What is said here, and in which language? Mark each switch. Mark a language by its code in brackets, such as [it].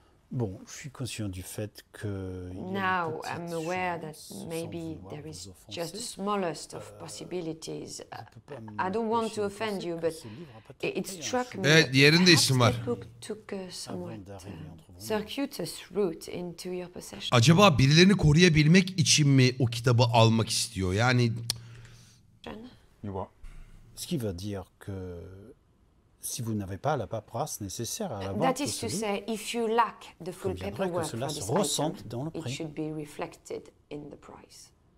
[fr] Bon, je suis conscient du fait que [en] now I'm aware that maybe there is just the smallest of possibilities. I don't want to offend you, but it struck me perhaps the book took a somewhat circuitous route into your possession. [tr] Acaba birilerini koruyabilmek için mi o kitabı almak istiyor? Yani [en] you what? [fr] Ce qui veut dire que si vous n'avez pas la paperasse nécessaire à la vente, [en] that is to say, if you lack the full paperwork for this item, [fr] dans le prix. [en] It should be reflected in the price.